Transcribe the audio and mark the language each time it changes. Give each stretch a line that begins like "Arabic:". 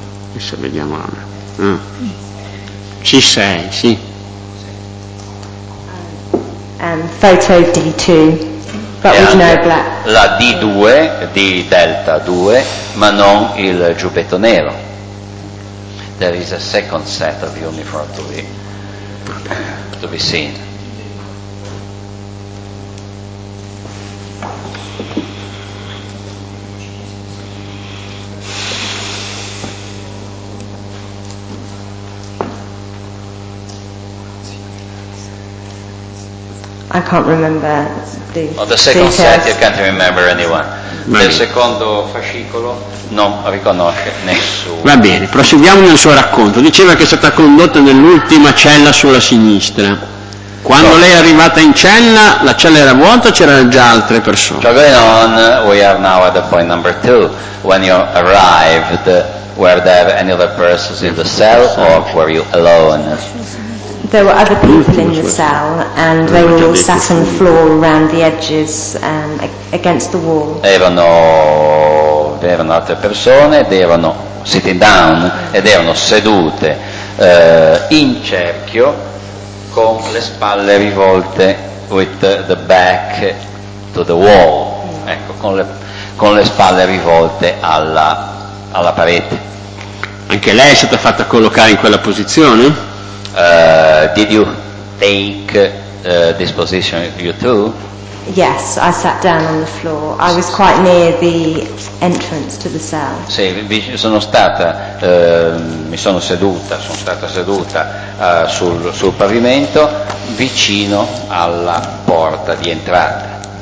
Italian: Adesso vediamo. C6, sì.
English: Photo D2. But with no black.
Italian: La D2 di Delta 2, ma non il giubbetto nero.
English: There is a second set of uniform to be seen. I can't remember the second set, you can't remember anyone.
Italian: Il secondo fascicolo non riconosce nessuno. Va bene, proseguiamo nel suo racconto. Diceva che è stata condotta nell'ultima cella sulla sinistra. Quando lei è arrivata in cella, la cella era vuota o c'erano già altre persone?
English: So going on, we are now at the point number two. When you arrived, were there any other persons in the cell or were you alone? There were other people in the cell and they were all sat on the floor around the edges against the wall.
Italian: Erano altre persone ed erano
English: sitting down
Italian: ed erano sedute in cerchio con le spalle rivolte
English: with the back to the wall,
Italian: ecco, con le spalle rivolte alla parete. Anche lei è stata fatta collocare in quella posizione?
English: Did you take this position, you too? Yes, I sat down on the floor. I was quite near the entrance to the cell.
Italian: Sì, sono stata seduta sul pavimento vicino alla porta di entrata.